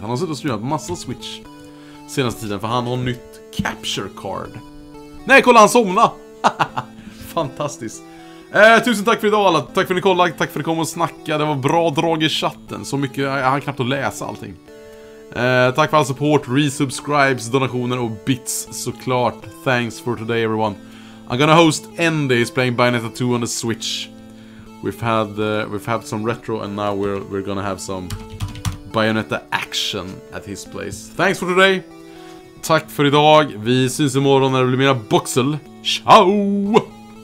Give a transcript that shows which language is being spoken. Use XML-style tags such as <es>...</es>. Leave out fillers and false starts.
<sv>Han har suttit och streamat massa Switch senaste tiden för han har nytt capture card. Nej, kolla, han somna. Fantastiskt. Tusen tack för idag alla, tack för att ni kollade, tack för att ni kom och snackade. Det var bra drag i chatten, så mycket, jag hann knappt att läsa allting. Tack för all support, resubscribes, donationer och bits såklart.</sv> <en>Thanks for today everyone. I'm gonna host Andy's playing Bayonetta 2 on the Switch. We've had some retro, and now we're gonna have some Bayonetta action at his place. Thanks for today.</en> <sv>Tack för idag. Vi syns imorgon när det blir mera boxel. Ciao!</sv>